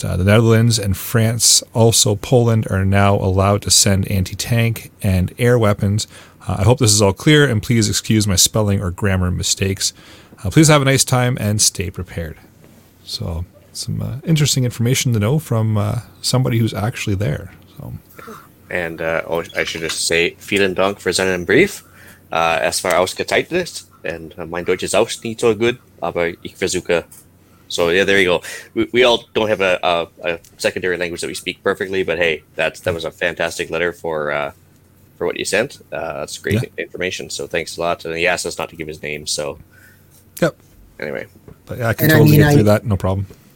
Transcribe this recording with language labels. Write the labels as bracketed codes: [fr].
[en] The Netherlands and France, also Poland, are now allowed to send anti-tank and air weapons. I hope this is all clear, and please excuse my spelling or grammar mistakes. Please have a nice time and stay prepared. So, some interesting information to know from somebody who's actually there. So. And I should just say, [de] vielen Dank für seinen Brief. Es war ausgezeichnet, and mein Deutsch ist auch nicht so gut, aber ich versuche. [en] So, yeah, there you go. We all don't have a secondary language that we speak perfectly, but hey, that was a fantastic letter for what you sent. That's great information. So thanks a lot. And he asked us not to give his name. So yep. Anyway. But yeah, I can totally get through that. No problem.